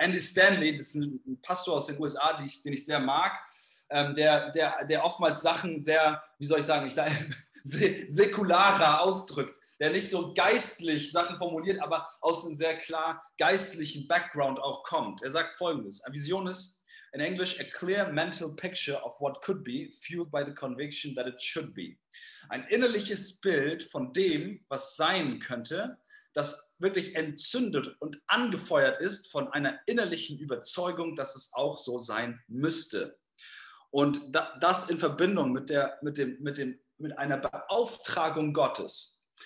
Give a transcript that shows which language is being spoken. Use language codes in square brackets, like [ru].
[de] Andy Stanley, das ist ein Pastor aus den USA, den ich sehr mag, der oftmals Sachen sehr, wie soll ich sagen, säkularer ausdrückt. Der nicht so geistlich Sachen formuliert, aber aus einem sehr klar geistlichen Background auch kommt. Er sagt Folgendes. [en] A vision is, in English, a clear mental picture of what could be, fueled by the conviction that it should be. [de] Ein innerliches Bild von dem, was sein könnte, das wirklich entzündet und angefeuert ist von einer innerlichen Überzeugung, dass es auch so sein müsste. Und das in Verbindung mit einer Beauftragung Gottes.